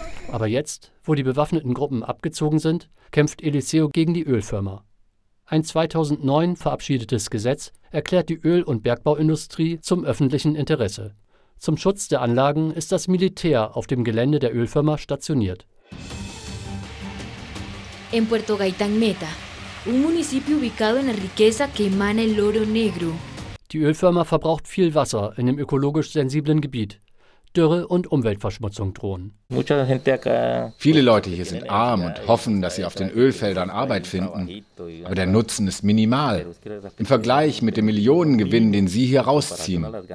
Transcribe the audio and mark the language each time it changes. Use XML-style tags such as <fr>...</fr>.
<de>Aber jetzt, wo die bewaffneten Gruppen abgezogen sind, kämpft Eliseo gegen die Ölfirma. Ein 2009 verabschiedetes Gesetz erklärt die Öl- und Bergbauindustrie zum öffentlichen Interesse. Zum Schutz der Anlagen ist das Militär auf dem Gelände der Ölfirma stationiert.</de> <es>In Puerto Gaitán Meta, un municipio ubicado en la riqueza que emana el oro negro.</es> <de>Die Ölfirma verbraucht viel Wasser in dem ökologisch sensiblen Gebiet. Dürre und Umweltverschmutzung drohen. Viele Leute hier sind arm und hoffen, dass sie auf den Ölfeldern Arbeit finden. Aber der Nutzen ist minimal. Im Vergleich mit dem Millionengewinn, den sie hier rausziehen.</de>